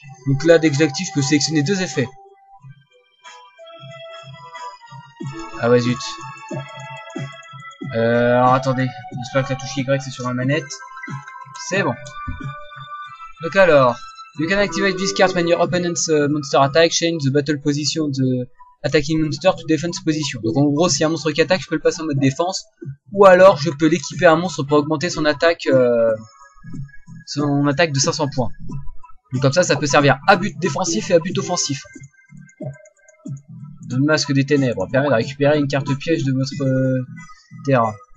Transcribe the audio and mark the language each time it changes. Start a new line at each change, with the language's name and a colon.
French: Donc là, dès que j'active, je peux sélectionner deux effets. Ah ouais, zut. Alors attendez. J'espère que la touche Y, c'est sur ma manette. C'est bon. Donc alors.
English: You can activate this card when your opponent's monster attack, change the battle position the attacking monster to defense position.
French: Donc en gros, s'il y a un monstre qui attaque, je peux le passer en mode défense. Ou alors, je peux l'équiper un monstre pour augmenter son attaque, son attaque de 500 points. Donc comme ça, ça peut servir à but défensif et à but offensif. Le masque des ténèbres permet de récupérer une carte piège de votre terrain.